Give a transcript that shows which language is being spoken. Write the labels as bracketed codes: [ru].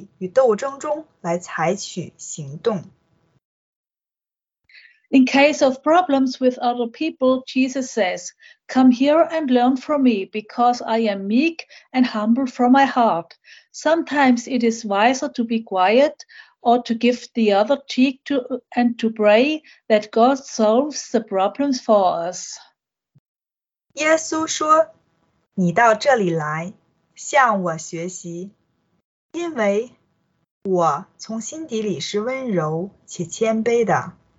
[zh] 在困难的情况下，我们也会忘记圣经上的话，迷失了自我。但是，当我们学会倾听他的声音，并服从于他的时候，我们就像圣经上所写的那样，与上帝的话起，一起创造了一辆为我们能提供能量的电灯。我们也知道如何在令人不安的权利与斗争中来采取行动。 [en] In case of problems with other people, Jesus says, come here and learn from me, because I am meek and humble from my heart. Sometimes it is wiser to be quiet or to give the other cheek to pray that God solves the problems for us. [zh] 耶稣说，你到这里来，向我学习，因为我从心底里是温柔且谦卑的。